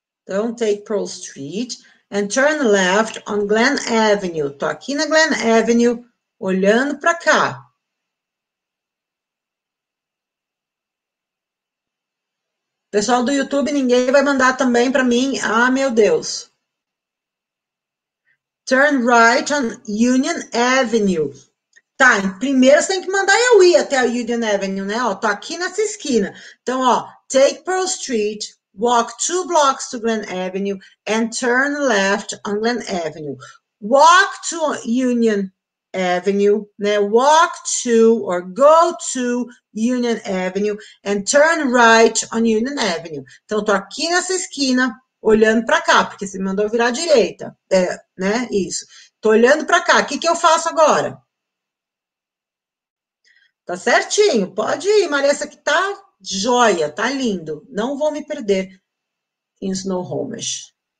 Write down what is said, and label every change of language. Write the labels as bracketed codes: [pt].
[en] Don't take Pearl Street and turn left on Glen Avenue. [pt] Tô aqui na Glen Avenue olhando para cá. Pessoal do YouTube, ninguém vai mandar também para mim. Ah, meu Deus. [en] Turn right on Union Avenue. [pt] Tá, primeiro você tem que mandar eu ir até a Union Avenue, né? Ó, tô aqui nessa esquina. Então, ó, [en] take Pearl Street, walk 2 blocks to Glen Avenue and turn left on Glen Avenue. Walk to Union Avenue, né? Walk to or go to Union Avenue and turn right on Union Avenue. [pt] Então, tô aqui nessa esquina, olhando para cá, porque você me mandou virar à direita. É, né? Isso. Tô olhando para cá. O que que eu faço agora? Tá certinho. Pode ir, Maria. Essa aqui tá joia, tá lindo. Não vou me perder em Snohomish.